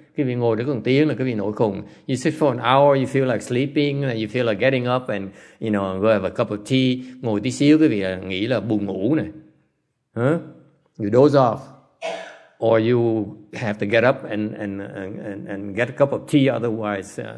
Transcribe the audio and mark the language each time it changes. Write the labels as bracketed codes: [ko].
[vi] Quý vị ngồi được một tiếng là quý vị nổi khùng. [en] You sit for an hour, you feel like sleeping, and you feel like getting up and, you know, go have a cup of tea. [vi] Ngồi tí xíu quý vị nghĩ là buồn ngủ này. [en] You doze off. Or you have to get up and get a cup of tea otherwise.